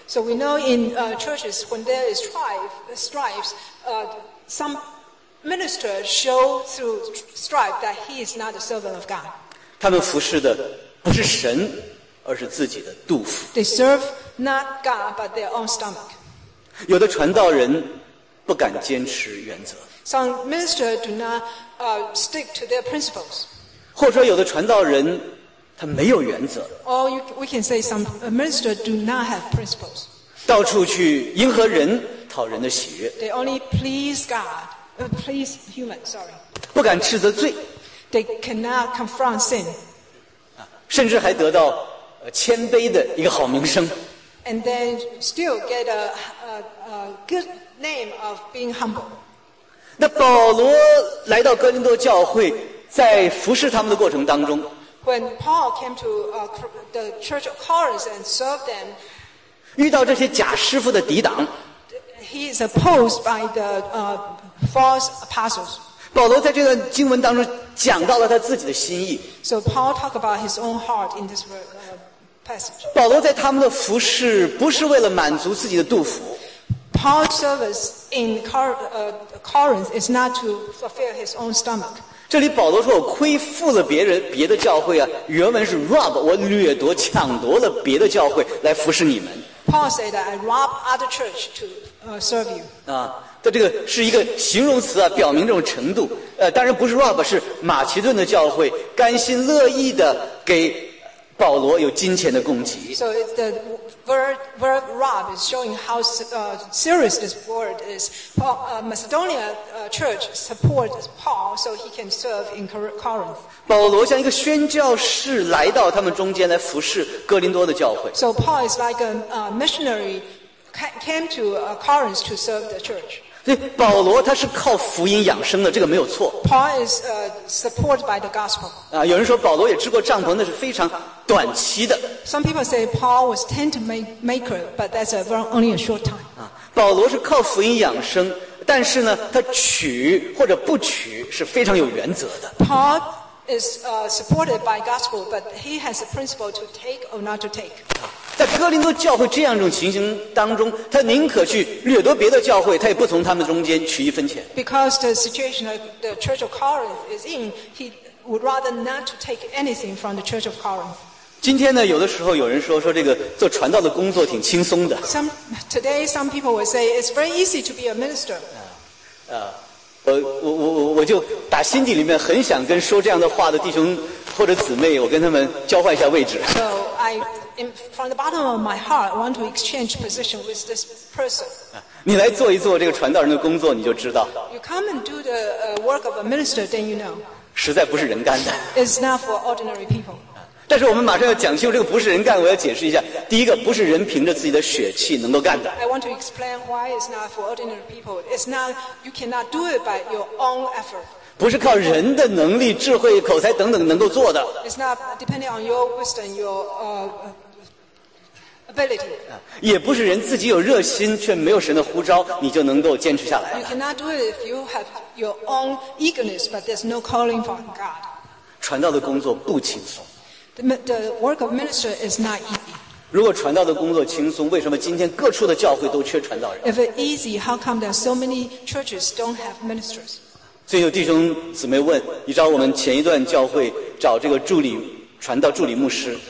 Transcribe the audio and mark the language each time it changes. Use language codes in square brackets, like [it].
[en] So we know in churches when there is strife, some minister show through strife that he is not a servant of God. [zh] 他们服侍的不是神，而是自己的肚腹。 [en] They serve not God but their own stomach. [zh] 有的传道人不敢坚持原则。 [en] Some minister do not stick to their principles. [zh] 或者说有的传道人他没有原则。 [en] Or we can say some minister do not have principles. [zh] 到处去迎合人，讨人的喜悦。 [en] They only please God, please human, sorry. [zh] 不敢斥责罪。 [en] They cannot confront sin. [zh] 甚至还得到谦卑的一个好名声。 [en] And then still get a good name of being humble. [zh] 那保罗来到哥林多教会，在服侍他们的过程当中， [en] When Paul came to the church of Corinth and served them, [zh] 遇到这些假师傅的抵挡， [en] he is opposed by the false apostles. [zh] 保罗在这段经文当中讲到了他自己的心意。 [en] So Paul talked about his own heart in this passage. [zh] 保罗在他们的服侍不是为了满足自己的肚腹。 [en] Paul's service in Corinth is not to fulfill his own stomach. [zh] 这里保罗说我亏负了别人别的教会啊，原文是 rob 我掠夺抢夺了别的教会来服侍你们。 [en] Paul said that I rob other church to serve you. [zh] 啊，这个是一个形容词啊，表明这种程度。当然不是 rob， 是马其顿的教会甘心乐意的给保罗有金钱的供给。 [en] So the verb rob is showing how serious this word is. Paul, Macedonia church supports Paul so he can serve in Corinth. [zh] 保罗像一个宣教士来到他们中间来服侍哥林多的教会。 [en] So Paul is like a missionary came to Corinth to serve the church. [zh] 所以保罗他是靠福音养生的，这个没有错。 [en] Paul is supported by the gospel. [zh] 有人说保罗也支过帐篷，那是非常短期的。 [en] Some people say Paul was tent maker, but that's only a short time. [zh] 保罗是靠福音养生，但是呢，他娶或者不娶是非常有原则的。 [en] Paul is supported by gospel, but he has a principle to take or not to take. [zh] 在哥林多教会这样一种情形当中，他宁可去掠夺别的教会，他也不从他们中间取一分钱。 [en] Because the situation that the church of Corinth is in, he would rather not to take anything from the church of Corinth. [zh] 今天呢，有的时候有人说这个做传道的工作挺轻松的。 [en] Today some people will say it's very easy to be a minister. [zh] 我就打心底里面很想跟说这样的话的弟兄或者姊妹，我跟他们交换一下位置。 [en] So I from the bottom of my heart want to exchange position with this person. [zh] 你来做一做这个传道人的工作，你就知道。 [en] You come and do the work of a minister, then you know. [zh] 实在不是人干的。 [en] It's not for ordinary people. [zh] 但是我们马上要讲清这个不是人干，我要解释一下。第一个，不是人凭着自己的血气能够干的。 [en] I want to explain why it's not for ordinary people. It's not you cannot do it by your own effort. [zh] 不是靠人的能力、智慧、口才等等能够做的。 [en] It's not depending on your wisdom, your ability. [zh] 也不是人自己有热心却没有神的呼召，你就能够坚持下来。 [en] You cannot do it if you have your own eagerness, but there's no calling from God. [zh] 传道的工作不轻松。 [en] The work of minister is not easy. [zh] 如果传道的工作轻松，为什么今天各处的教会都缺传道人？ [en] If it's easy, how come there are so many churches don't have ministers? [zh] 所以有弟兄姊妹问，你知道我们前一段教会找这个助理传道助理牧师。